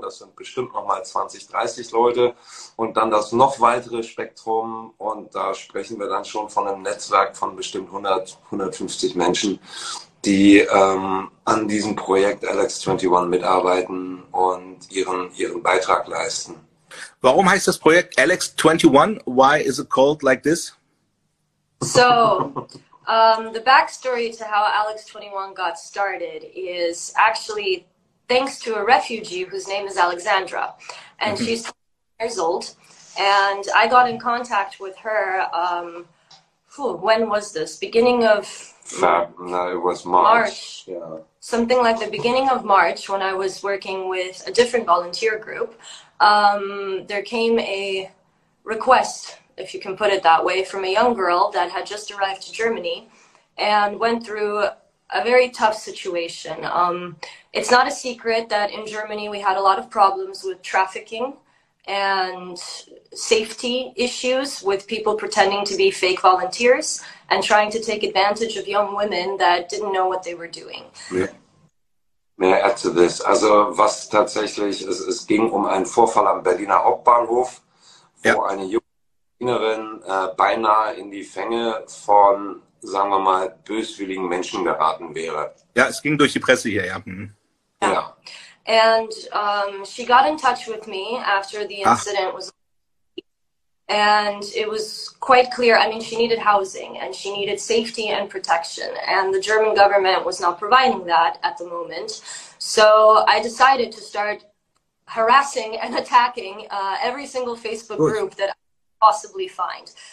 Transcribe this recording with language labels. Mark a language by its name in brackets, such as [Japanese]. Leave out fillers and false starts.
[German] Das sind bestimmt nochmal 20, 30 Leute. Und dann das noch weitere Spektrum. Und da sprechen wir dann schon von einem Netzwerk von bestimmt 100, 150 Menschen, die an diesem Projekt Alex 21 mitarbeiten und ihren Beitrag leisten. Warum heißt das Projekt Alex 21? [English] Why is it called like this? So, the backstory to how Alex 21 got started is actually thanks to a refugee whose name is Alexandra, and she's 20 years old, and I got in contact with her, when was this? Beginning of No, it was March. Yeah. Something like the beginning of March when I was working with a different volunteer group, there came a request, if you can put it that way, from a young girl that had just arrived to Germany and went through a very tough situation. It's not a secret that in Germany we had a lot of problems with trafficking and safety issues with people pretending to be fake volunteers and trying to take advantage of young women that didn't know what they were doing. May I add to this? [German] Also, was tatsächlich, es ging um einen Vorfall am Berliner Hauptbahnhof, wo eine Innerin beinahe in die Fänge von, sagen wir mal, böswilligen Menschen geraten wäre. Ja, es ging durch die Presse hier, ja. Ja. [English] And she got in touch with me after the incident was And it was quite clear, I mean, she needed housing and she needed safety and protection. And the German government was not providing that at the moment. So I decided to start harassing and attacking every single Facebook group that I could possibly find.